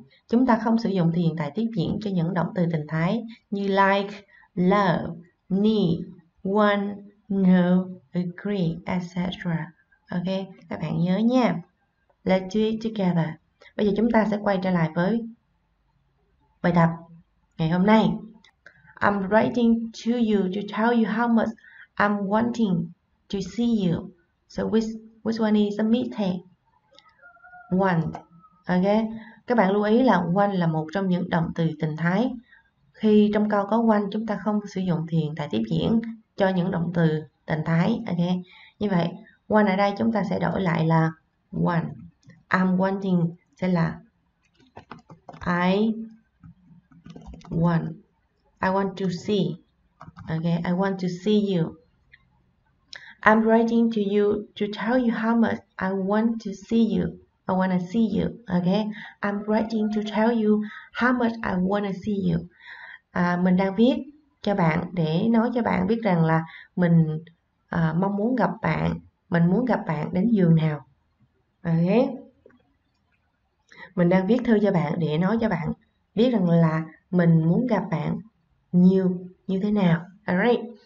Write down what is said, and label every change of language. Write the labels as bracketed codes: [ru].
[vi] Chúng ta không sử dụng thì hiện tại tiếp diễn cho những động từ tình thái như like, love, need, one, no, agree, etc. Ok, các bạn nhớ nha. [en] Let's do it together. [vi] Bây giờ chúng ta sẽ quay trở lại với bài tập ngày hôm nay. [en] I'm writing to you to tell you how much I'm wanting to see you. So which one is a meeting? Want. [vi] Ok, các bạn lưu ý là want là một trong những động từ tình thái. Khi trong câu có want, chúng ta không sử dụng thì hiện tại tiếp diễn cho những động từ tình thái. Ok. Như vậy, want ở đây chúng ta sẽ đổi lại là want. [en] I'm wanting sẽ là I want. I want to see. Ok. I want to see you. I'm writing to you to tell you how much I want to see you. I want to see you. Ok. I'm writing to tell you how much I want to see you. [vi] Mình đang viết cho bạn để nói cho bạn biết rằng là mình mong muốn gặp bạn, mình muốn gặp bạn đến giường nào. Okay. Mình đang viết thư cho bạn để nói cho bạn biết rằng là mình muốn gặp bạn nhiều như thế nào. Alright.